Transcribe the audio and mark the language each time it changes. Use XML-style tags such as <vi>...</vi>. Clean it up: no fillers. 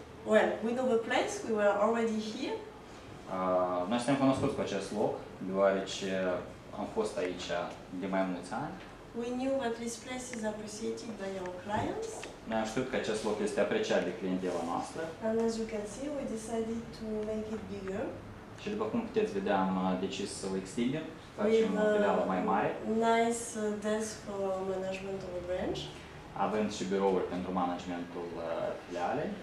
<en>Well, we know the place, we were already here.</en> <ro>Noi suntem cunoscuți cu acest loc, deoarece am fost aici de mai mulți ani.</ro> <en>We knew that this place is appreciated by our clients.</en> <ro>Noi am știut că acest loc este apreciat de clientele noastre.</ro> <en>And as you can see, we decided to make it bigger.</en> <ro>Și după cum puteți vedea, am decis să o extindem, facem o filială mai mare.</ro> <en>Nice desk for management of a branch.</en> <ro>Avem și birouri pentru managementul filialei.</ro>